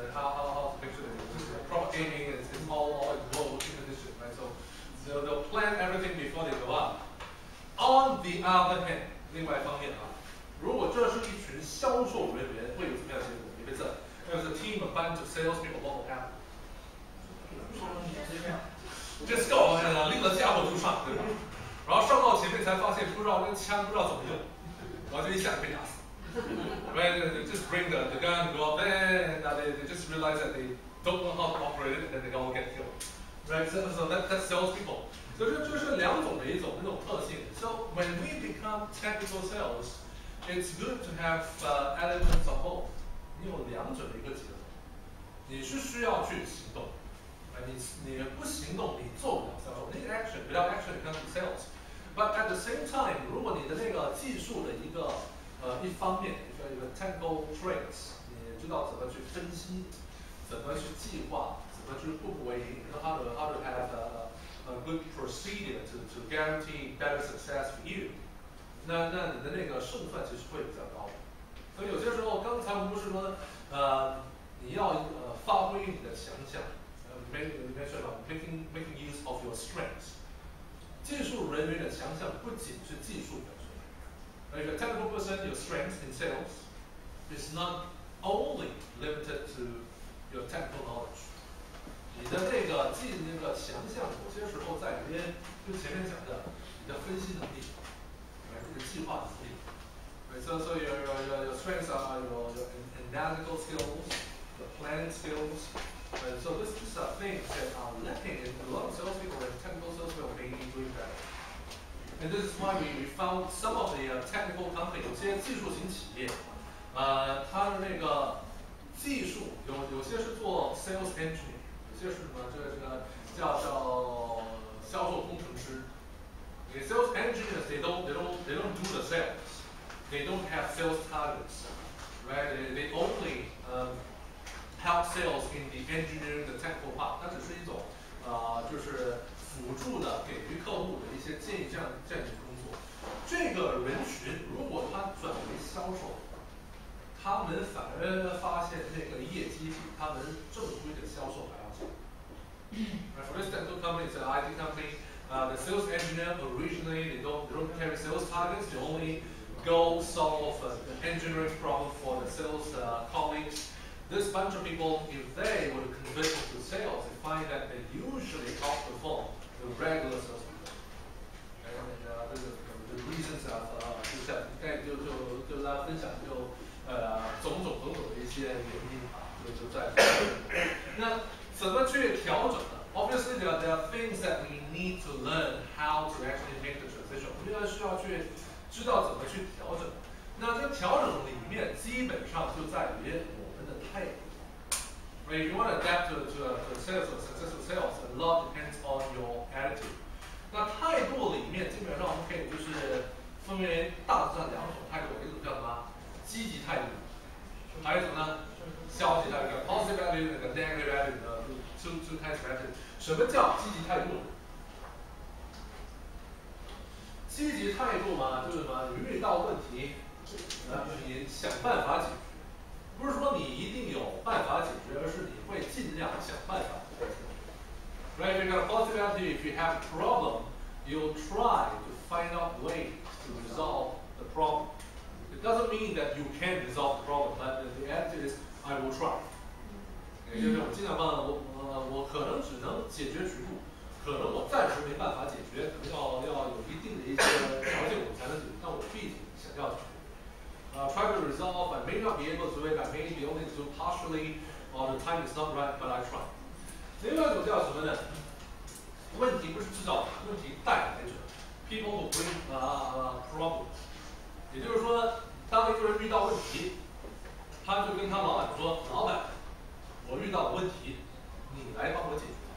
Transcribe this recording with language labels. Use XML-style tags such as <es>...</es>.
<en>How to make sure the proper aiming is all in low condition. Right? So they'll plan everything before they go up. On the other hand,</en> <zh>另外一方面啊，如果这是一群销售人员，会有什么样的结果？你别这，要是</zh> <en>team a bunch of sales people, what will happen? Just go and</en> <zh>拎了家伙就上，对吧？然后上到前面才发现不知道那枪不知道怎么用，然后就一下子被打死。</zh> <en>Right, they just bring the gun, go up there, and they just realize that they don't know how to operate it, and they all get killed. Right, so that sales people.</en> <zh>所以这是两种的一种那种特性。</zh> <en>So when we become technical sales, it's good to have elements of both.</en> <zh>你有两者的一个结合，你是需要去行动，你不行动你做不了销售。</zh> <en>Need action, without action you can't be sales. But at the same time,</en> <zh>如果你的那个技术的一个一方面，比如说一个 technical traits, 你知道怎么去分析，怎么去计划，怎么去步步为营 ，</zh> <en>how to have a good procedure to guarantee better success for you.</en> <zh>那你的那个胜算其实会比较高。所以有些时候，刚才我们不是说，你要发挥你的强项，</zh> <en>making use of your strengths.</en> <zh>技术人员的强项不仅是技术本身。</zh> <en>那个 technical person, your strengths in sales is not only limited to your technical knowledge.</en> <zh>你的那个记那个想象，有些时候在里面，就前面讲的，你的分析能力，哎，这个计划能力，哎，所以有</zh> <en>strengths 啊，有 analytical skills, the planning skills, and so this are things that are lacking in a lot of salespeople and technical salespeople may be doing better. And this is why we found some of the technical company,</en> <zh>有些技术型企业，</zh> <en>它的那个技术有些是做 sales engineer.</en> <zh>这是什么？这个叫销售工程师。</zh> <en>The sales engineers they don't do the sales. They don't have sales targets, right? They only help sales in the engineering the technical part.</en> <zh>它只是一种就是辅助的给予客户的一些建议这样的工作。这个人群如果他转为销售，他们反而发现那个业绩比他们正规的销售还要强。</zh> <en>For this technical company, it's an IT company. The sales engineer originally they don't carry sales targets. They only go solve the engineering problem for the sales colleagues. This bunch of people, if they were convinced to sales, they find that they usually outperform the regular sales people. And the reasons of</en> <zh>就像刚才就大家分享就种种的一些原因啊，就在那。怎么去调整呢？</zh> <en>Obviously, there are things that we need to learn how to actually make the transition.</en> <zh>我们要需要去知道怎么去调整。那这个调整里面基本上就在于我们的态度。</zh> <en>When you want to adapt to sales or successful sales, a lot depends on your attitude.</en> <zh>那态度里面基本上我们可以就是分为大致上两种态度，一种叫什么？积极态度。还有什么呢？消极态度 ，</zh> <en>positive attitude</en> <zh>和</zh> <en>negative attitude</en> <zh>的</zh> <en>two kinds of attitude。</en> <zh>什么叫积极态度？积极态度嘛，就是什么？遇到问题，你想办法解决，不是说你一定有办法解决，而是你会尽量想办法解决。</zh> <en>Right, if you have positive attitude, if you have a problem, you'll try to find out a way to resolve the problem. It doesn't mean that you can't resolve the problem, but the attitude is. I will try.</en> <zh>就是我尽量办，我可能只能解决局部，可能我暂时没办法解决，可能要有一定的一些条件我才能解决，但我毕竟想要解决。</zh> <en>Try to resolve, I may not be able to do it, I may be only to partially, the time is not right, but I try.</en> <zh>另外一种叫什么呢？问题不是制造的，问题带来者。</zh> <en>People who bring problems.</en> <zh>也就是说，当一个人遇到问题，他就跟他老板说，老板，我遇到问题，你来帮我解决。</zh>